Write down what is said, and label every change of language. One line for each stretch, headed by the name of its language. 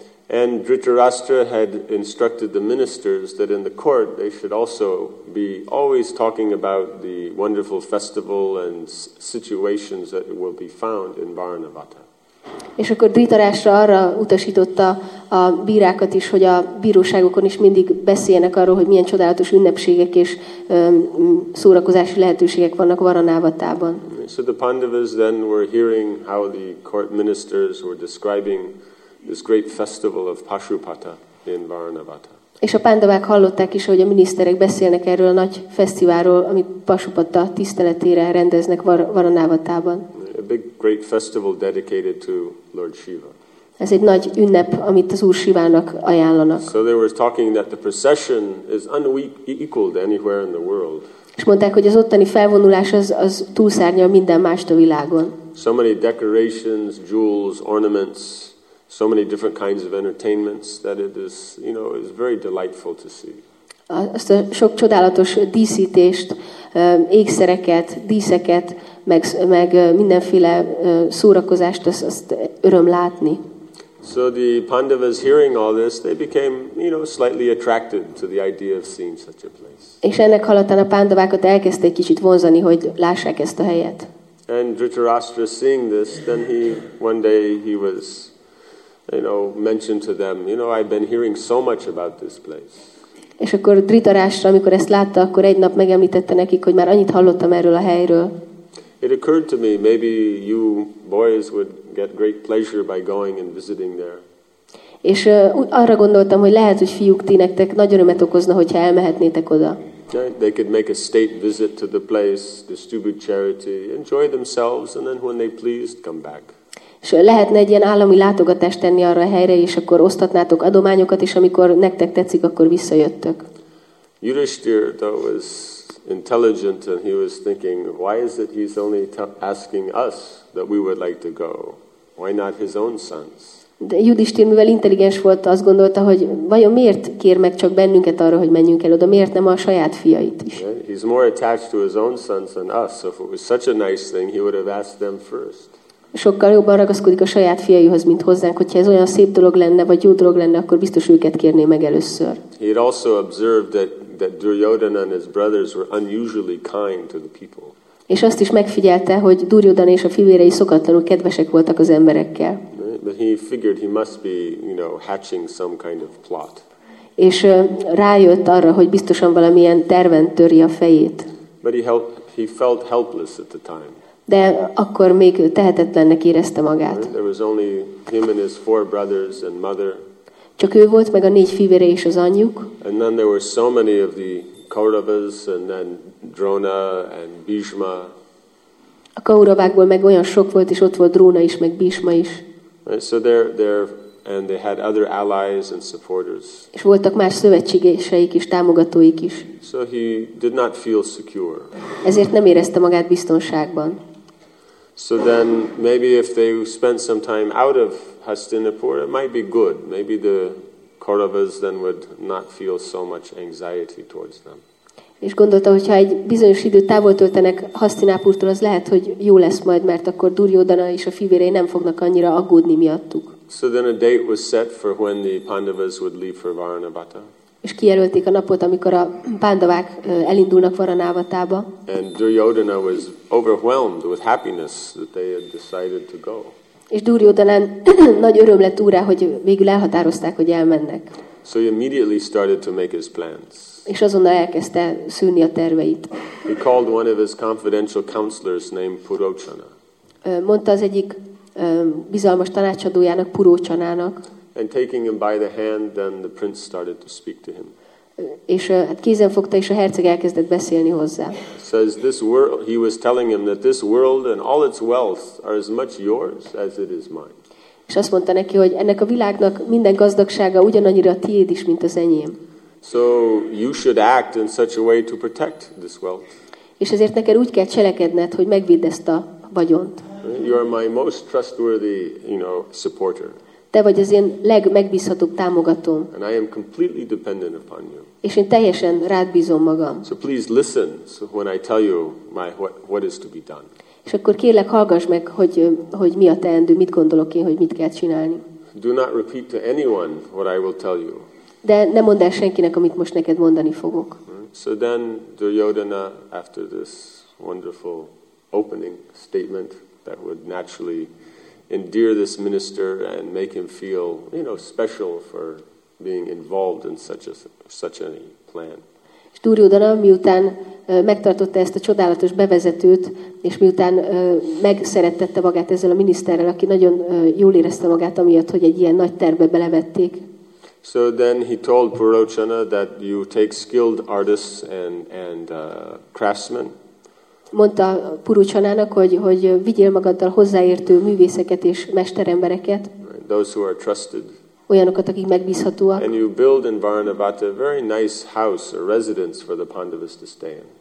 English: And Dhritarashtra had instructed the ministers that in the court they should also be always talking about the wonderful festival and situations that will be found in Varanavata.
Hungarian: És akkor Dhritarashtra arra utasította a bírákat is, hogy a bíróságokon is mindig beszéljenek arról, hogy milyen csodálatos ünnepségek és szórakozási lehetőségek vannak Varanavatában.
English: So the Pandavas then were hearing how the court ministers were describing this great festival of Pashupata in Varanavata.
Hungarian: És a Pándavák hallották is, hogy a miniszterek beszélnek erről a nagy fesztiválról, amit Pashupata tiszteletére rendeznek Varanavatában.
English: A big great festival dedicated to Lord Shiva.
Hungarian: Ez egy nagy ünnep, amit az Úr Sivának ajánlanak.
English: So they were talking that the procession is unequaled anywhere in the world.
Hungarian: És mondták, hogy az ottani felvonulás az túlszárnyal minden mást a világon.
English: So many decorations, jewels, ornaments, so many different kinds of entertainments that it is, you know, is very delightful to see.
Hungarian: Azt a sok csodálatos díszítést, ékszereket, díszeket, meg mindenféle szórakozást, azt öröm látni.
English: So the Pandavas hearing all this, they became, you know, slightly attracted to the idea of seeing such a place.
Hungarian: És ennek hallatán a Pandavákat elkezdték kicsit vonzani, hogy lássák ezt a helyet.
English: And Dhritarashtra seeing this, then he, one day he was, you know, mentioned to them, you know, I've been hearing so much about this place.
Hungarian: És akkor Dhritarashtra, amikor ezt látta, akkor egy nap megemlítette nekik, hogy már annyit hallottam erről a helyről.
English: It occurred to me, maybe you boys would get great pleasure by going and visiting there.
Hungarian: És arra gondoltam, hogy lehet, hogy fiúk, ti nektek nagy örömet okozna, hogyha elmehetnétek oda.
English: They could make a state visit to the place, distribute charity, enjoy themselves, and then when they pleased, come back.
Hungarian: És lehetne egy ilyen állami látogatást tenni arra a helyre, és akkor osztatnátok adományokat, és amikor nektek tetszik, akkor visszajöttök.
English: Yudhishthir, though, was intelligent, and he was thinking, why is it he's only asking us that we would like to go? Why not his own sons?
Hungarian: De Yudhishthir, mivel intelligens volt, azt gondolta, hogy vajon miért kér meg csak bennünket arra, hogy menjünk el oda, miért nem a saját fiait is?
English: Yeah, he's more attached to his own sons than us, so if it was such a nice thing, he would have asked them first.
Hungarian: Sokkal jobban ragaszkodik a saját fiaihoz, mint hozzánk. Hogyha ez olyan szép dolog lenne, vagy jó dolog lenne, akkor biztos őket kérné meg először.
English: He had also observed that Duryodhana and his brothers were unusually kind to the people.
Hungarian: És azt is megfigyelte, hogy Duryodhana és a fivérei szokatlanul kedvesek voltak az emberekkel.
English: But he figured he must be, you know, hatching some kind of plot.
Hungarian: És rájött arra, hogy biztosan valamilyen terven törje a fejét.
English: But he felt helpless at the time.
Hungarian: De akkor még tehetetlennek érezte magát.
English: There was only him and his four brothers and mother.
Hungarian: Csak ő volt, meg a négy fivére és az anyjuk.
English: And then there were so many of the Kauravas and then Drona and Bhishma.
Hungarian: A Kauravákból meg olyan sok volt, és ott volt Drona is, meg Bhishma is.
English: Right, so they're and they had other allies and supporters.
Hungarian: És voltak más szövetségeseik és támogatóik is.
English: So he did not feel secure.
Hungarian: Ezért nem érezte magát biztonságban.
English: So then maybe if they spent some time out of Hastinapur, it might be good. Maybe the Kauravas then would not feel so much anxiety towards them.
Hungarian: És gondolta, hogy ha egy bizonyos időt távol töltenek Hasztinápurtól, az lehet, hogy jó lesz majd, mert akkor Duryodhana és a fivérei nem fognak annyira aggódni miattuk.
English: So then a date was set for when the Pandavas would leave for Varanavata.
Hungarian: És kijelölték a napot, amikor a Pándavák elindulnak Varanavatába.
English: And Duryodhana was overwhelmed with happiness that they had decided to go.
Hungarian: És Duryodhanán nagy öröm lett úrá, hogy végül elhatározták, hogy elmennek.
English: So he immediately started to make his plans.
Hungarian: És azonnal elkezdte szűrni a terveit.
English: He called one of his confidential counselors named Purocana.
Hungarian: Mondta az egyik bizalmas tanácsadójának, Purocanának.
English: And taking him by the hand, then the prince started to speak to him.
Hungarian: És hát kézen fogta, és a herceg elkezdett beszélni hozzá.
English: Says this world, he was telling him that this world and all its wealth are as much yours as it is mine.
Hungarian: És azt mondta neki, hogy ennek a világnak minden gazdagsága ugyanannyira a tiéd is, mint az enyém.
English: So you should act in such a way to protect this wealth.
Hungarian: És ezért neked úgy kell cselekedned, hogy megvédd ezt a vagyont.
English: You are my most trustworthy, supporter.
Hungarian: Te vagy az én legmegbízhatóbb támogatóm.
English: And I am completely dependent upon you.
Hungarian: És én teljesen rád bízom magam.
English: So please listen when I tell you what is to be done.
Hungarian: És akkor kérlek, hallgass meg, hogy mi a teendő, mit gondolok én, hogy mit kell csinálni.
English: Do not repeat to anyone what I will tell you.
Hungarian: De ne mondd el senkinek, amit most neked mondani fogok.
English: So then Duryodhana, after this wonderful opening statement that would naturally endear this minister and make him feel, special for being involved in such a plan.
Hungarian: És Duryodhana, miután megtartotta ezt a csodálatos bevezetőt, és miután megszerettette magát ezzel a miniszterrel, aki nagyon jól érezte magát amiatt, hogy egy ilyen nagy tervbe belevették.
English: So then he told Purocana that you take skilled artists and craftsmen.
Hungarian: Mondta Purocanának, hogy vigyél magaddal hozzáértő művészeket és mesterembereket.
English: Those who are trusted.
Hungarian: Olyanokat, akik megbízhatóak.
English: And you build in Varanavata a very nice house or residence for the Pandavas to stay in.